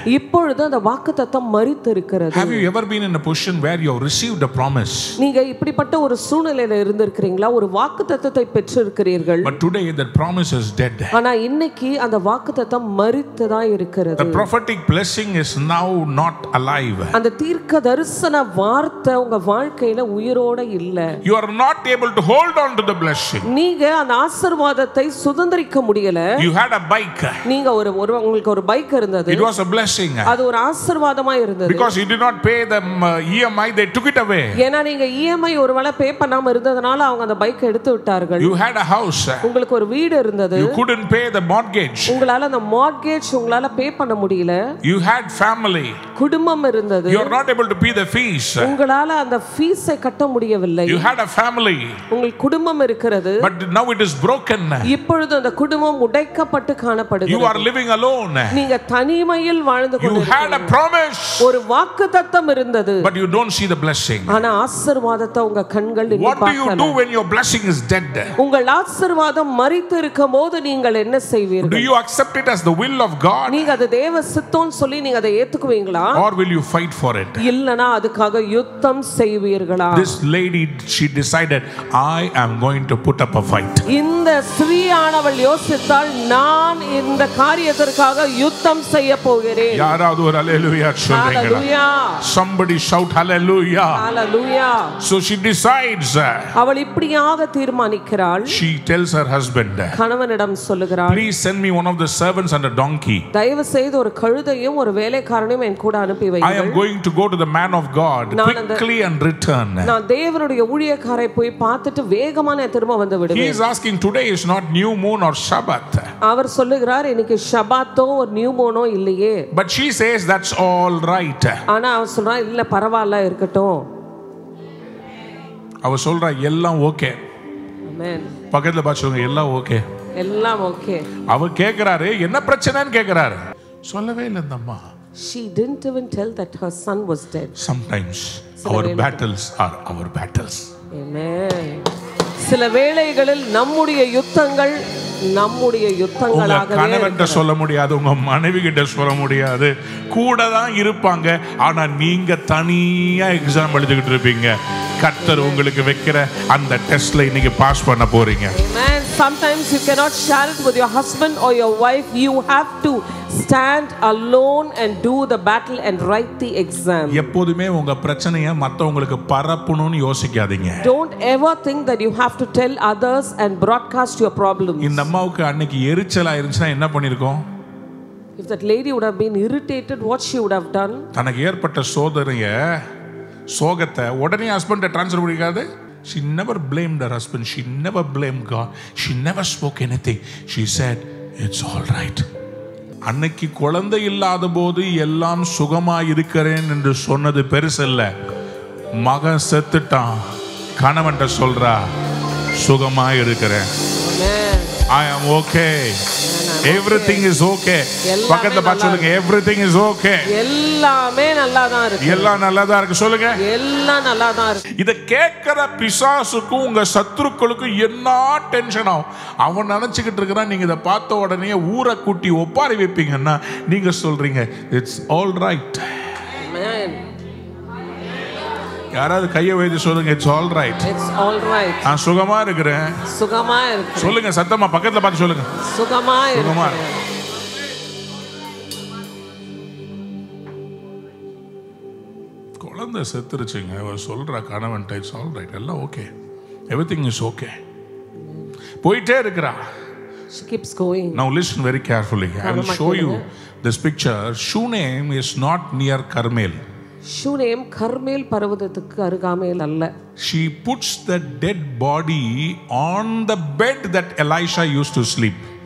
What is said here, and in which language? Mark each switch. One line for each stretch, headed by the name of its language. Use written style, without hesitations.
Tamil: இப்பொழுது அந்த வாக்குத்தத்தம் மரித்திருக்கிறது.
English: Have you ever been in a position where you have received a promise?
Tamil: நீங்க இப்படிப்பட்ட ஒரு சூழ்நிலையில இருந்திருக்கீங்களா? ஒரு வாக்குத்தத்தை பெற்றிருக்கிறீர்கள்.
English: But today that promise is dead.
Tamil: ஆனா இன்னைக்கு அந்த வாக்குத்தத்தம் மரித்ததா இருக்கிறது.
English: The prophetic blessing is now not alive.
Tamil: அந்த தீர்க்க தரிசன வார்த்தை உங்க வாழ்க்கையில உயிரோட இல்ல.
English: You are not able to hold on to the blessing.
Tamil: நீங்க அந்த ஆசீர்வாதத்தை சுதந்திரிக்க முடியல.
English: You had a bike.
Tamil: நீங்க ஒரு உங்களுக்கு ஒரு பைக் இருந்தது.
English: It was a blessing.
Tamil: அது அது ஒரு ஆசீர்வாதமா இருந்தது.
English: Because he did not pay them EMI, they took it away.
Tamil: ஏனா நீங்க EMI ஒருவேளை பே பண்ணாம இருந்ததனால அவங்க அந்த பைக் எடுத்து விட்டார்கள்.
English: You had a house.
Tamil: உங்களுக்கு ஒரு வீடு இருந்தது.
English: You couldn't pay the mortgage.
Tamil: உங்களால அந்த மார்க்கேஜ் உங்களால பே பண்ண முடியல.
English: You had family.
Tamil: குடும்பம் இருந்தது.
English: You are not able to pay the fees.
Tamil: உங்களால அந்த ஃபீஸை கட்ட முடியவில்லை.
English: You had a family.
Tamil: உங்களுக்கு குடும்பம் இருக்கிறது.
English: But now it is broken.
Tamil: இப்பொழுது அந்த குடும்பம் உடைக்கப்பட்டு காணப்படுகிறது.
English: You are living alone.
Tamil: நீங்க தனிமையில் வாழ்ந்து கொண்டிருக்கிறீர்கள்.
English: You had a promise.
Tamil: ஒரு வாக்குத்தத்தம் இருந்தது.
English: But you don't see the blessing.
Tamil: ஆனா ஆசீர்வாதத்தை உங்க கண்கள் இன்னும் பார்க்கல.
English: What do you do when your blessing is dead?
Tamil: உங்கள் ஆசீர்வாதம் மரித்து இருக்கும்போது நீங்கள் என்ன செய்வீர்கள்?
English: Do you accept it as the will of God?
Tamil: நீங்க அது தேவ சித்தம்னு சொல்லி நீங்க அதை ஏத்துக்குவீங்களா?
English: Or will you fight for it?
Tamil: இல்லனா அதுக்காக யுத்தம் செய்வீர்களா?
English: This lady, she decided, I am going to put up a fight.
Tamil: இந்த ஸ்திரீ ஆனவள் யோசித்தாள், நான் இந்த காரியத்திற்காக யுத்தம் செய்ய போகிறேன். யாராவது ஒரு அல்லேலூயா சொல்றீங்களா? அல்லேலூயா.
English: Somebody shout hallelujah. Hallelujah. So she decides.
Tamil: அவள் இப்படியாக தீர்மானிக்கிறாள்.
English: She tells her husband.
Tamil: கணவனிடம் சொல்கிறாள்.
English: Please send me one of the servants and a donkey.
Tamil: தயவு செய்து ஒரு கழுதையும் ஒரு வேலைக்காரனையும் என் கூட அனுப்பி வையுங்கள்.
English: I am going to go to the man of God quickly and return.
Tamil: நான் தேவனுடைய ஊழியக்காரரை போய் பார்த்துட்டு வேகமான திரும்ப வந்து விடுவேன்.
English: He is asking, today is not new moon or Shabbat.
Tamil: அவர் சொல்கிறார், எனக்கு ஷபாத்தோ ஒரு நியூ மூனோ இல்லையே.
English: But she says, that's all right.
Tamil: ஆனா அவர் சொல்றார், இல்ல பரவாயில்ல இருக்கட்டும். அவர் சொல்றார், எல்லாம் ஓகே. ஆமென். பக்கத்துல பாச்சவங்க, எல்லாம் ஓகே. எல்லாம் ஓகே. அவர் கேக்குறாரு, என்ன பிரச்சனைன்னு கேக்குறாரு. சொல்லவே இல்ல அந்த அம்மா.
English: She didn't even tell that her son was dead. Sometimes our battles are our battles. Amen.
Tamil: சில வேளைகளில் நம்முடைய யுத்தங்கள் நம்முடைய யுத்தங்களாகவே சொல்ல முடியாது, உங்க மனைவி கிட்ட சொல்ல முடியாது, கூட தான் இருப்பாங்க. ஆனா நீங்க தனியா எக்ஸாம் எழுதிக்கிட்டு இருப்பீங்க. கர்த்தர் உங்களுக்கு வைக்கிற அந்த டெஸ்ட்ல இன்னைக்கு பாஸ் பண்ண போறீங்க.
English: Sometimes you cannot share it with your husband or your wife. You have to stand alone and do the battle and write the exam.
Tamil: எப்போதுமே உங்க பிரச்சனையை மத்தவங்களுக்கு பரப்பணும்னு யோசிக்காதீங்க.
English: Don't ever think that you have to tell others and broadcast your problems.
Tamil: இந்த அம்மாவுக்கு அன்னைக்கு எரிச்சலா இருந்தா என்ன பண்ணிருக்கோம்?
English: If that lady would have been irritated, what she would have done?
Tamil: தனக்கு ஏற்பட்ட சோதனைய சோகத்தை உடனே ஹஸ்பண்ட transfer பண்ணிக்காதே.
English: She never blamed her husband. She never blamed God. She never spoke anything. She said, it's all right.
Tamil: அன்னைக்கு குழந்தை இல்லாத போது எல்லாம் சுகமா இருக்கிறேன் என்று சொன்னது பெருசல்ல. மகன் செத்துட்டான், கணவன் சொல்றா சுகமா இருக்கிறேன்.
English: I am okay. Everything is okay.
Tamil: பக்கத்துல பாத்து சொல்லுங்க,
English: everything is okay.
Tamil: எல்லாமே நல்லா தான் இருக்கு. எல்லாம் நல்லா தான் இருக்கு சொல்லுங்க. எல்லாம் நல்லா தான் இருக்கு. இத கேக்குற பிசாசுக்கும் உங்க சத்ருக்களுக்கும் என்ன டென்ஷனோ, அவன் நினைச்சிட்டு இருக்கான் நீங்க இத பார்த்த உடனே ஊரே கூட்டி ஒப்பாரி வைப்பீங்கன்னா நீங்க சொல்றீங்க,
English: it's all right. Amen.
Tamil: யாராவது கையை வைத்து சொல்லுங்க,
English: It's all right. It's all right.
Tamil: நான் சுகமா இருக்கிறேன். சுகமா இருக்கு சொல்லுங்க. சத்தமா பக்கத்துல பார்த்து சொல்லுங்க, சுகமா இருக்கு. சுகமா குழந்தை செத்துருச்சுங்க. அவர் சொல்ற கணவன் டைப்ஸ் ஆல் ரைட், எல்லாம் ஓகே,
English: Everything is okay.
Tamil: போயிட்டே இருக்கிறா.
English: She keeps going. Now listen very carefully. I will show you this picture. Shunem is not near Carmel.
Tamil: Shunem கர்மேல் பர்வதத்துக்கு அருகாமையில் அல்ல.
English: She puts the dead body on the bed that Elisha used to sleep.